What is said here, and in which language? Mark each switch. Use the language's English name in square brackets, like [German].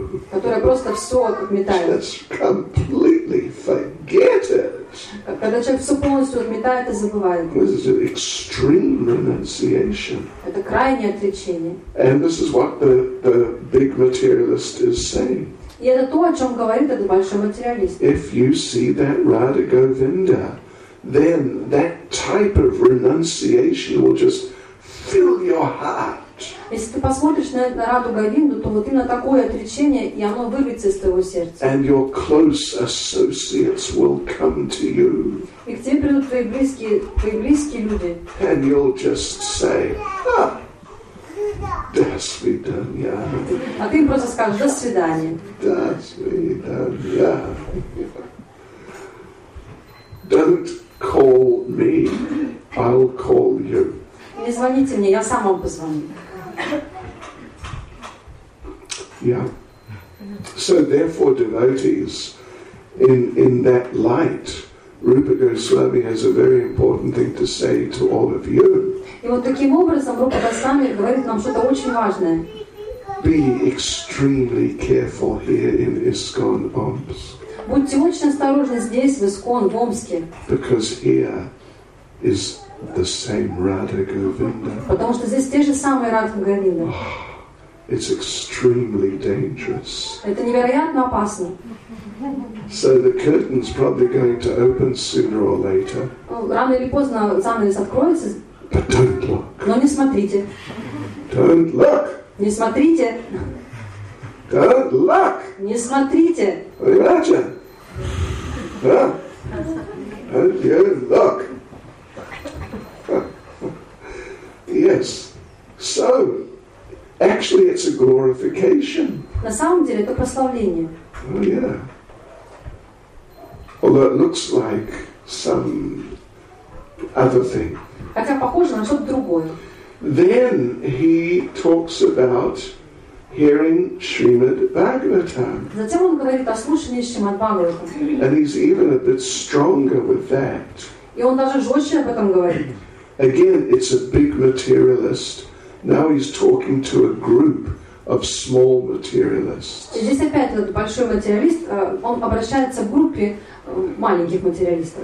[Russian] Которое просто все отметает. [English] Just completely forget it. [Russian] Когда человек все полностью отметает и забывает. [English] This is an extreme renunciation. [Russian] Это крайнее отречение. [English] And this is what the big materialist is saying. [Russian] И это то, о чем говорит этот большой материалист. [English] If you see that Radha Govinda, then that type of renunciation will just fill your heart. [Russian] Если ты посмотришь на Раду Говинду, то вот именно такое отречение, и оно вырвется из твоего сердца. [English] And your close associates will come to you. [Russian] И к тебе придут твои близкие люди. [English] And you'll just say, [Russian] До свидания. А ты им просто скажешь, до свидания. До свидания. [English] Don't call me, I'll call you. [Russian] Не звоните мне, я сам вам позвоню. [English] Yeah. So therefore, devotees, in that light, Rupa Goswami has a very important thing to say to all of you. [Russian] И вот таким образом Рупа Госвами говорит нам что-то очень важное. [English] Be extremely careful here in ISKCON Omsk. [Russian] Будьте очень осторожны здесь, в ИСККОН, в Омске. [English] Because here is the same Radha Govinda. [Russian] Потому что здесь те же самые Радха Говинда. [English] It's extremely dangerous. [Russian] Это невероятно опасно. [English] So the curtain's probably going to open sooner or later. [Russian] Рано или поздно занавес откроется. [English] But don't look. [Russian] Но не смотрите. [English] Don't look. [Russian] Не смотрите. [English] Don't look. [Russian] Не смотрите. [English] Imagine. Don't you look. Yes. So, actually, it's a glorification. [Russian] На самом деле, это прославление. [English] Oh yeah. Although it looks like some other thing. [Russian] Хотя похоже на что-то другое. [English] Then he talks about hearing Srimad Bhagavatam. [Russian] Затем он говорит о слушании Шримад Бхагаватам. [English] And he's even a bit stronger with that. [Russian] И он даже жестче об этом говорит. [English] Again, it's a big materialist. Now he's talking to a group of small materialists. [Russian] И здесь опять этот большой материалист, он обращается к группе маленьких материалистов.